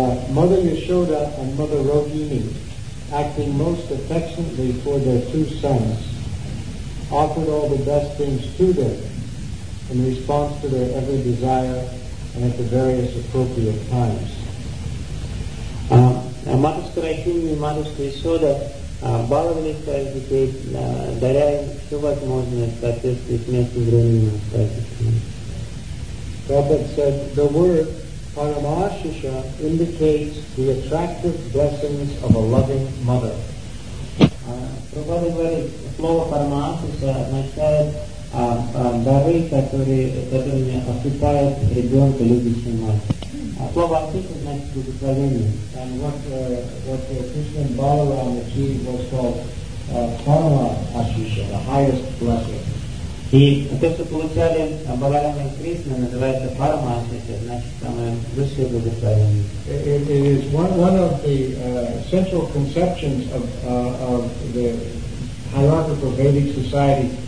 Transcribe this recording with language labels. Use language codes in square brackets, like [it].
[en] Mother Yashoda and Mother Rohini, acting most affectionately for their two sons, offered all the best things to them, in response to their every desire and at the various appropriate times. [ru] Матушка Рахини и матушка Ясода баловали своих детей, даря им все возможное в соответствии с местным временем. [en] Prabhupada said, the word Paramashisha indicates the attractive blessings of a loving mother. [ru] Prabhupada говорит, слово Paramashisha означает дары, которыми осыпает ребенка любящая мать. Слово «Акшиша» значит благословение. [en] And what Krishna Balaram achieved was called Parama Ashisha, the highest blessing. [ru] И то, что получали Баларам и Кришна, называется Парама Ашиша, значит самое высшее благословение. [en] It is one of the central conceptions of the hierarchical Vedic society.